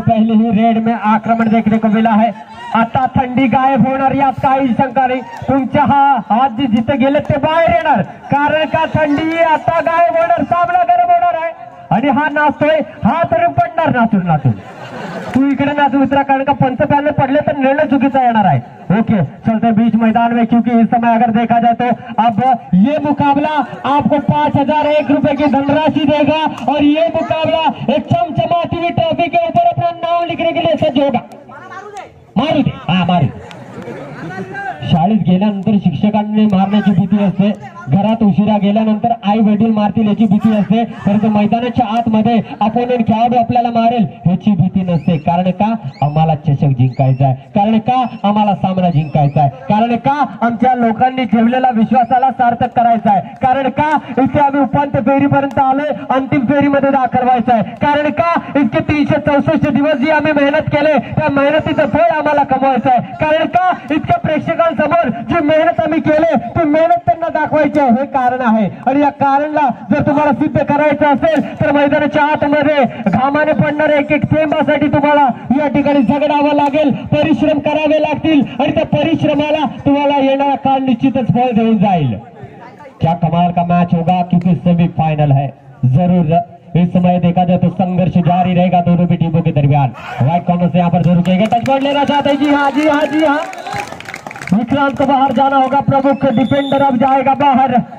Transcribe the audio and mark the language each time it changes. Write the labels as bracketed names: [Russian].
[Hindi] पहले ही रेड में आक्रमण देखने को मिला है। [Marathi] आता थंडी गायब होणार यात काही शंका नाही। तुमच्या हा आज जिथे गेले ते बाहेर येणार, कारण का थंडी आता गायब होणार, सामना गरम होणार आहे। आणि हा नाचतोय, हा तर पडणार नाचून नाचून। तू इकडे नाचू मित्रा, कारण का पंच पॅनल पडले तर निर्णय चुकीचा येणार आहे। [Hindi] ओके चलते बीच मैदान में, क्योंकि इस समय अगर देखा जाए तो अब ये मुकाबला आपको 5001 रुपए की धनराशि देगा और ये मुकाबला एक चमचमाती हुई ट्रॉफी के ऊपर अपना नाम लिखने के लिए सज्ज होगा। [Marathi] मारू दे, हाँ मारू। शाळेत गेल्यानंतर शिक्षकांनी मारण्याची भीती असते, घरात उशिरा गेल्यानंतर आई वडील मारतील याची भीती असते, परंतु मैदानाच्या आतमध्ये अपोनेंट खेळाडू आपल्याला मारेल याची भीती नसते। कारण का? आम्हाला चषक जिंकायचा आहे। कारण का? आम्हाला सामना जिंकायचा आहे। कारण का? आमच्या लोकांनी ठेवलेला विश्वासाला सार्थक करायचा आहे। कारण का? इथे आम्ही उपांत्य फेरीपर्यंत आलोय, अंतिम फेरीमध्ये दाखल व्हायचं आहे। कारण का? इतके 364 दिवस जी आम्ही मेहनत केले, त्या मेहनतीचं फळ आम्हाला कमवायचं आहे। कारण का? इतक्या प्रेक्षकांसमोर जी मेहनत आम्ही केले, ती मेहनत त्यांना दाखवायची हे कारण आहे। आणि या कारणला जर तुम्हाला सिद्ध करायचं असेल तर मैदानाच्या आतमध्ये घामाने पडणार एक एक थेंबासाठी तुम्हाला या ठिकाणी झगडावं लागेल, परिश्रम करावे लागतील, आणि त्या परिश्रमाला तुम्हाला येणारा काळ निश्चितच फळ देऊन जाईल। [Hindi] क्या कमाल का मॅच होगा, क्योंकि सेमी फायनल है। जरूर इस समय देखा जाए तो संघर्ष जारी रहेगा दोनों भी टीमों के दरमियान। राइट कॉर्नर से यहाँ पर जरूर कहेंगे टच पॉइंट लेना चाहते हैं। जी हाँ, जी हाँ, जी हाँ। विक्रांत को बाहर जाना होगा, प्रमुख डिफेंडर अब जाएगा बाहर।